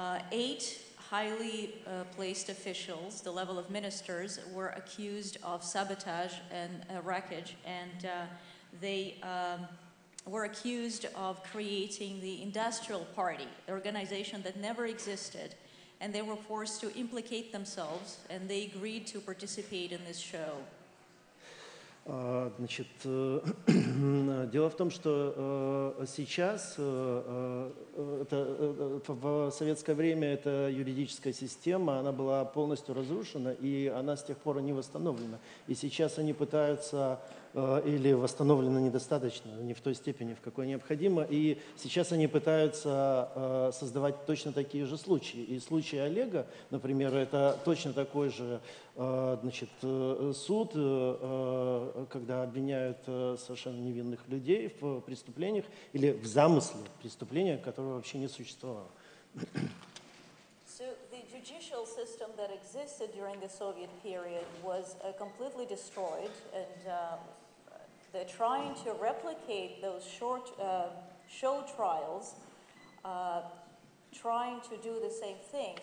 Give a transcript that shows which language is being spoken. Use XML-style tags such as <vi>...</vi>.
<en>Eight highly placed officials, the level of ministers, were accused of sabotage and wreckage, and they were accused of creating the industrial party, the organization that never existed, and they were forced to implicate themselves, and they agreed to participate in this show.</en> <ru>Значит, дело в том, что сейчас, это, в советское время эта юридическая система, она была полностью разрушена, и она с тех пор не восстановлена. И сейчас они пытаются, или восстановлена недостаточно, не в той степени, в какой необходимо, и сейчас они пытаются создавать точно такие же случаи. И случай Олега, например, это точно такой же, значит, суд, когда обвиняют совершенно невинных людей в преступлениях или в замысле преступления, которого вообще не существовало.</ru> <en>So the judicial system that existed during the Soviet period was completely destroyed, and they're trying to replicate those short show trials, trying to do the same thing.</en>